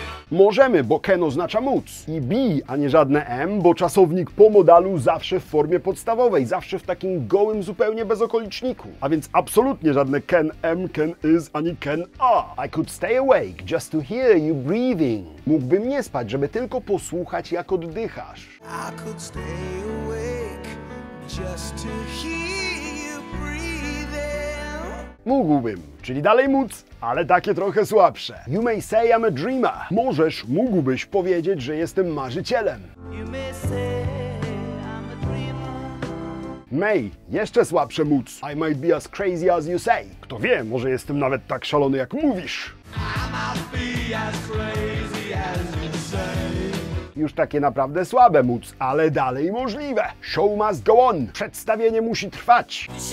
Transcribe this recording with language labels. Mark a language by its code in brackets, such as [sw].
[pl] możemy, bo can oznacza móc. I be, a nie żadne am, bo czasownik po modalu zawsze w formie podstawowej, zawsze w takim gołym, zupełnie bez okoliczniku. A więc absolutnie żadne can am, can is, ani can are. [en] I could stay awake just to hear you breathing. [pl] Mógłbym nie spać, żeby tylko posłuchać, jak oddychasz. [en] I could stay awake just to hear you breathing. [pl] Mógłbym. Czyli dalej móc, ale takie trochę słabsze. [en] You may say I'm a dreamer. [pl] Możesz, mógłbyś powiedzieć, że jestem marzycielem. [en] You may say I'm a dreamer. [pl] May, jeszcze słabsze móc. [en] I might be as crazy as you say. [pl] Kto wie, może jestem nawet tak szalony, jak mówisz. [en] I might be as crazy as you say. [pl] Już takie naprawdę słabe móc, ale dalej możliwe. [en] Show must go on. [pl] Przedstawienie musi trwać.